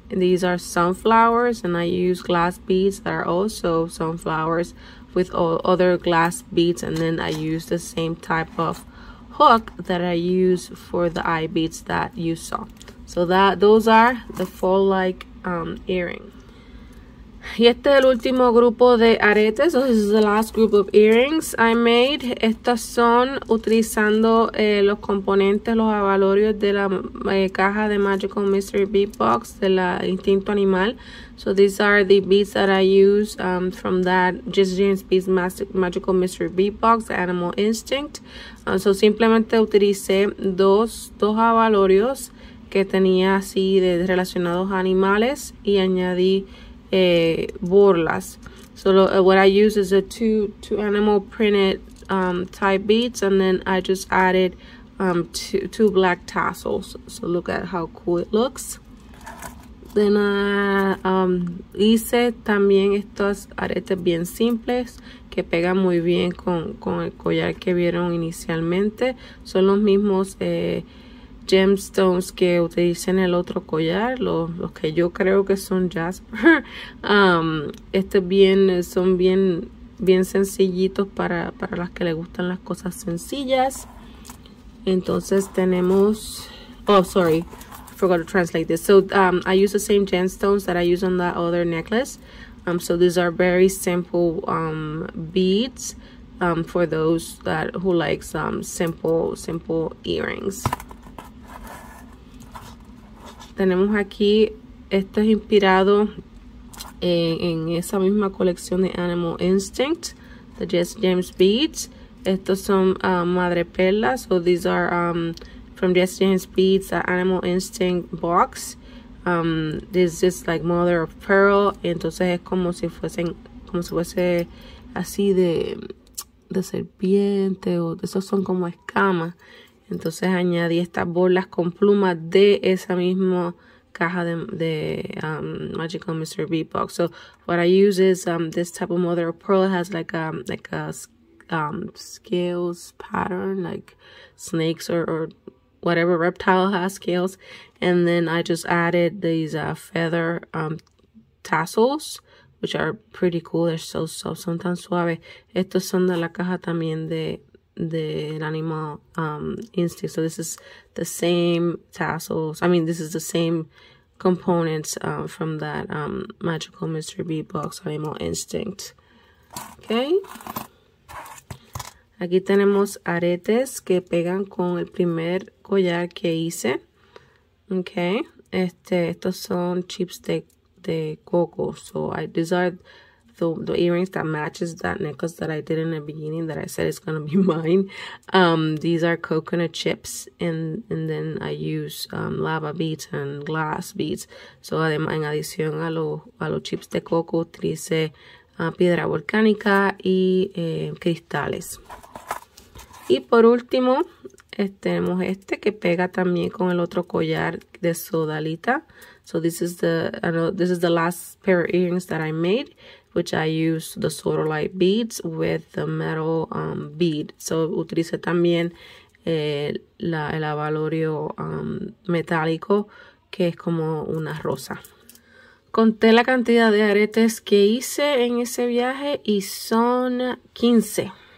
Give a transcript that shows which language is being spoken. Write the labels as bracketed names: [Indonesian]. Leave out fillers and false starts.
[English] These are sunflowers, and I use glass beads that are also sunflowers with all other glass beads, and then I use the same type of hook that I use for the eye beads that you saw. So that those are the fall like earring. [Spanish] Y este es el último grupo de aretes. [English] So this is the last group of earrings I made. [Spanish] Estas son utilizando los componentes, los abalorios de la caja de Magical Mystery Bead Box de la Instinto Animal. [English] So these are the beads that I use from that Jess James Beads Magical Mystery Bead Box, Animal Instinct. [Spanish] So simplemente utilicé dos abalorios que tenía así de relacionados a animales y añadí borlas. [English] So what I use is a two animal printed type beads, and then I just added two black tassels. So look at how cool it looks. Then [Spanish] hice también estos aretes bien simples que pegan muy bien con el collar que vieron inicialmente. Son los mismos gemstones que utilicé en el otro collar, los que yo creo que son jasper. Son bien sencillitos para las que le gustan las cosas sencillas. Entonces tenemos, [English] oh sorry, I forgot to translate this. So I use the same gemstones that I use on that other necklace. So these are very simple beads for those that who like simple earrings. [Spanish] Tenemos aquí, esto es inspirado en esa misma colección de Animal Instinct, de Jess James Beads. Estos son madre perla, [English] so these are from Jess James Beads, Animal Instinct box. This is like mother of pearl, [Spanish] entonces es como si fuese así de serpiente, o esos son como escamas. Entonces añadí estas bolas con plumas de esa misma caja de Magical Mystery Bead Box. [English] So what I use is this type of mother of pearl. It has like a scales pattern, like snakes or whatever reptile has scales. And then I just added these feather tassels, which are pretty cool. They're so soft, [Spanish] son tan suaves. Estos son de la caja también de el Animal Instinct. [English] So this is the same tassels. I mean, this is the same components from that Magical Mystery Bead Box, Animal Instinct. Okay. [Spanish] Aquí tenemos aretes que pegan con el primer collar que hice. Okay. Estos son chips de coco. [English] So these are the earrings that matches that necklace that I did in the beginning that I said is gonna be mine. These are coconut chips, and then I use lava beads and glass beads. [Spanish] So además, en adición a los chips de coco, utilicé piedra volcánica y cristales. Y por último, tenemos este que pega también con el otro collar de sodalita. [English] So this is the last pair of earrings that I made, which I used the sodalite beads with the metal bead. [Spanish] So utilicé también el abalorio metálico, que es como una rosa. Conté la cantidad de aretes que hice en ese viaje y son 15.